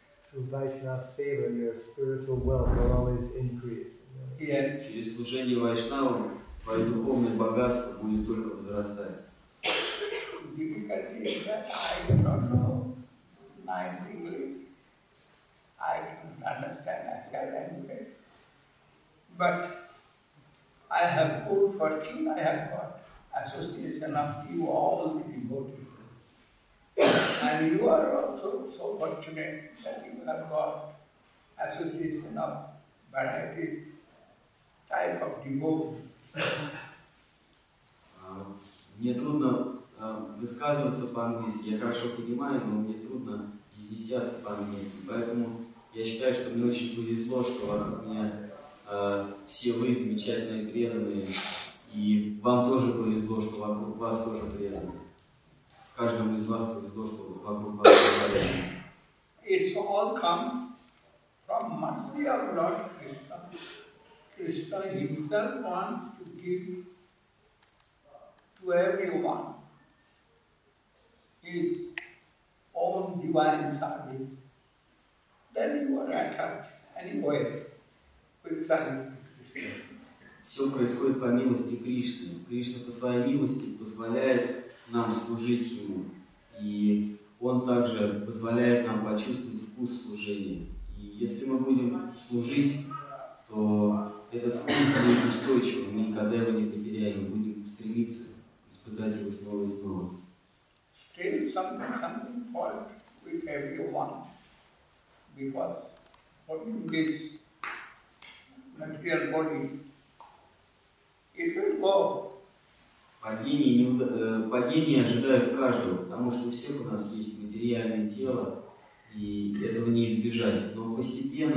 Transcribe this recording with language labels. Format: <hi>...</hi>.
<en>through Vaishnava seva, your spiritual wealth will always increase. Yeah.</en> <ru>Через служение Вайшнавам твое духовное богатство будет только возрастать.</ru> <en>Difficulty is that I do not know nice English. I do not understand Asia language. But I have good fortune. I have got association of you all the devotees. And you are also so fortunate that you have got association of variety type of devotees.</en> <ru>Мне трудно высказываться по-английски, я хорошо понимаю, но мне трудно изъясняться по-английски. Поэтому я считаю, что мне очень повезло, что вокруг меня все вы замечательные преданные, и вам тоже повезло, что вокруг вас тоже преданные. Каждому из вас повезло, что вокруг вас тоже преданные.</ru> <en>It's all come from mercy of Lord Krishna. Krishna himself wants to give to everyone his own divine service. Then you are attached anyway with service to Krishna.</en> <ru>Все происходит по милости Кришны. Кришна по своей милости позволяет нам служить Ему. И Он также позволяет нам почувствовать вкус служения. И если мы будем служить, то этот вкус будет устойчив, мы никогда его не потеряем, мы будем стремиться испытать его снова и снова.</ru> <en>Still something fault with everyone. Because what in this material body, it will go.</en> <ru>Падение ожидает каждого, потому что у всех у нас есть материальное тело, и этого не избежать. Но постепенно</ru>